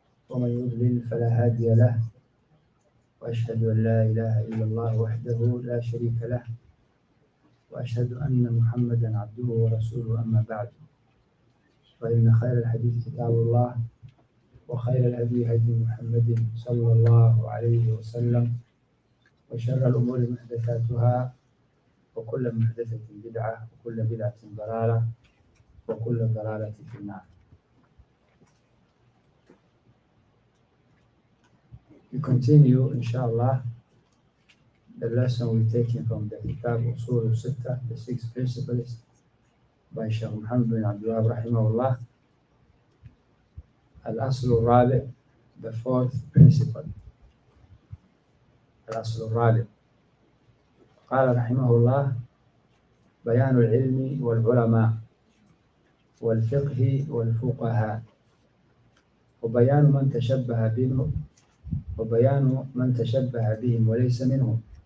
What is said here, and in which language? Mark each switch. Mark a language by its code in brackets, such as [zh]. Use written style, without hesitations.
[ar] ومن يضلل فلا هادي له وأشهد أن لا إله إلا الله وحده لا شريك له وأشهد أن محمدا عبده ورسوله أما بعد فإن خير الحديث كتاب الله وخير الهدي هدي محمد صلى الله عليه وسلم وشر الأمور محدثاتها وكل محدثة بدعة وكل بدعة ضلالة وكل ضلالة في النار. [en] We continue inshallah the lesson we taken from the Kitab Usul Sita, the six principles by Sheikh Muhammad bin Abdul Wahhab [ar] رحمه الله. الأصل الرابع, [en] the fourth principle. [ar] الأصل الرابع. قال رحمه الله بيان العلم والعلماء والفقه والفقهاء وبيان من تشبه بهم وبيان من تشبه بهم وليس منهم.